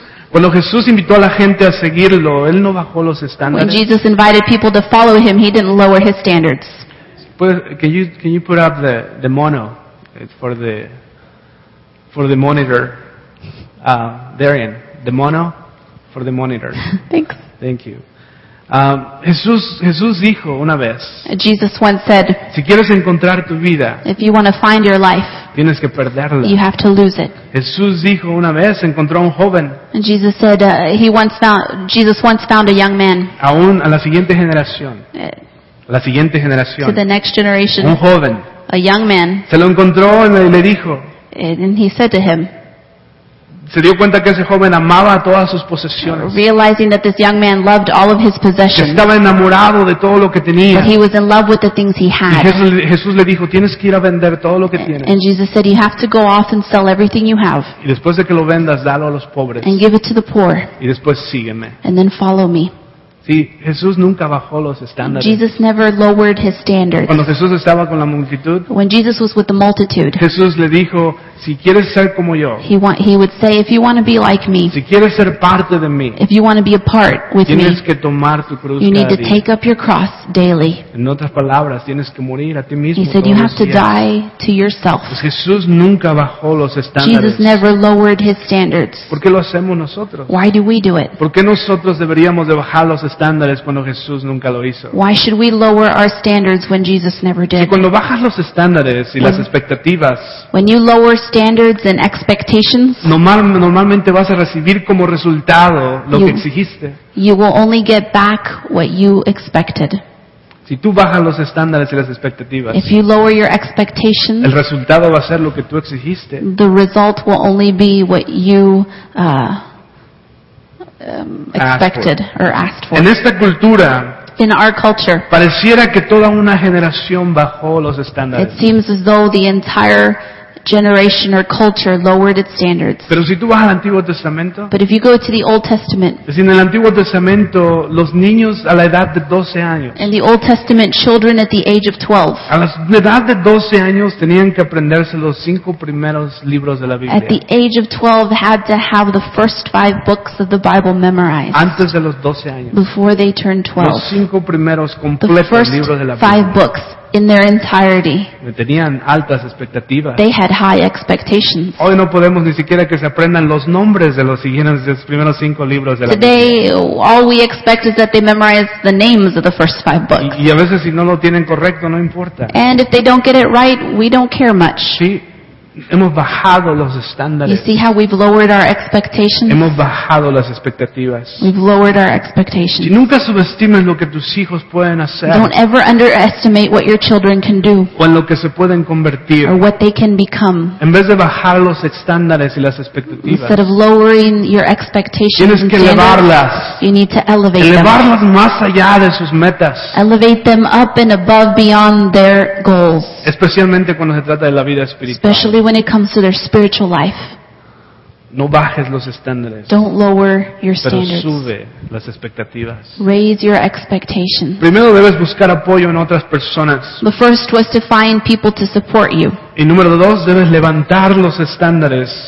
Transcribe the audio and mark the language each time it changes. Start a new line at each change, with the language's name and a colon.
Spanish: Cuando Jesús invitó a la gente a seguirlo, él no bajó los estándares.
English: When Jesus invited people to follow him, he didn't lower his standards. Can you put up the mono? It's for the monitor. Darian. The mono for the monitor. Thanks. Thank you.
Spanish: Jesús dijo una vez.
English: Jesus once said.
Spanish: Si quieres encontrar tu vida.
English: If you want to find your life.
Spanish: Tienes que perderla.
English: You have to lose it.
Spanish: Jesús dijo una vez encontró a un joven.
English: And Jesus said Jesus once found a young man.
Spanish: Aún a la siguiente generación. A la siguiente generación.
English: To the next generation.
Spanish: Un joven.
English: A young man.
Spanish: Se lo encontró y le dijo.
English: And he said to him.
Spanish: Se dio cuenta que ese joven amaba todas sus posesiones.
English: Realizing that this young man loved all of his possessions.
Spanish: Que estaba enamorado de todo lo que tenía.
English: But he was in love with the things he had.
Spanish: Y Jesús le dijo, tienes que ir a vender todo lo que tienes.
English: And Jesus said, you have to go off and sell everything you have.
Spanish: Y después de que lo vendas, dalo a los pobres.
English: And give it to the poor.
Spanish: Y después sígueme.
English: And then follow me.
Spanish: Sí, Jesús nunca bajó los estándares.
English: Jesus never lowered his standards.
Spanish: Cuando Jesús estaba con la multitud.
English: When Jesus was with the multitude.
Spanish: Jesús le dijo, si quieres ser como yo.
English: He would say, if you want to be like me.
Spanish: Si quieres ser parte de mí.
English: If you want to be a part with
Spanish: tienes
English: me.
Spanish: Tienes que tomar tu cruz.
English: You
Spanish: cada
English: need to
Spanish: día.
English: Take up your cross daily.
Spanish: En otras palabras, tienes que morir a ti mismo.
English: He said, you have to die to yourself.
Spanish: Pues Jesús nunca bajó los estándares.
English: Jesus never lowered his standards.
Spanish: ¿Por qué lo hacemos nosotros?
English: Why do we do it?
Spanish: ¿Por qué nosotros deberíamos de bajar los estándares cuando Jesús nunca lo hizo?
English: Why should we lower our standards when Jesus never did?
Spanish: Si cuando bajas los estándares y las expectativas.
English: When you lower standards and expectations.
Spanish: Normalmente vas a recibir como resultado lo que exigiste.
English: You will only get back what you expected.
Spanish: Si tú bajas los estándares y las expectativas.
English: If you lower your expectations.
Spanish: El resultado va a ser lo que tú exigiste.
English: The result will only be what you expected or asked for.
Spanish: En esta cultura.
English: In our culture.
Spanish: Pareciera que toda una generación bajó los estándares.
English: It seems as though the entire generation or culture lowered its standards.
Spanish: Pero si tú vas al Antiguo Testamento,
English: but if you go to the Old Testament,
Spanish: en el Antiguo Testamento, los niños a la edad de 12 años,
English: in the Old Testament, children at the age of 12,
Spanish: a la edad de 12 años tenían que aprenderse los cinco primeros libros de la Biblia.
English: At the age of 12, had to have the first five books of the Bible memorized.
Spanish: Antes de los 12 años,
English: before they turned 12,
Spanish: los cinco primeros completos libros de la Biblia.
English: The first five books in their entirety.
Spanish: Tenían altas expectativas.
English: They had high expectations.
Spanish: Hoy no podemos ni siquiera que se aprendan los nombres de los siguientes de los primeros cinco libros de la
English: Today, all we expect is that they memorize the names of the first five books.
Spanish: Y a veces si no lo tienen correcto, no importa.
English: And if they don't get it right, we don't care much.
Spanish: Sí. Hemos bajado los estándares.
English: You see how we've lowered our expectations?
Spanish: Hemos bajado las expectativas.
English: We've lowered our expectations.
Spanish: Y nunca subestimes lo que tus hijos pueden hacer.
English: Don't ever underestimate what your children can do.
Spanish: O en lo que se pueden convertir.
English: Or what they can become.
Spanish: En vez de bajar los estándares y las expectativas.
English: Instead of lowering your expectations,
Spanish: tienes que elevarlas.
English: You need to elevate them.
Spanish: Elevarlas más allá de sus metas.
English: Elevate them up and above beyond their goals.
Spanish: Especialmente cuando se trata de la vida espiritual.
English: Especially when it comes to their spiritual life.
Spanish: No bajes los estándares.
English: Don't lower your standards.
Spanish: Pero sube las expectativas.
English: Raise your expectations.
Spanish: Primero debes buscar apoyo en otras personas.
English: The first was to find people to support you.
Spanish: Y número dos, debes levantar los estándares.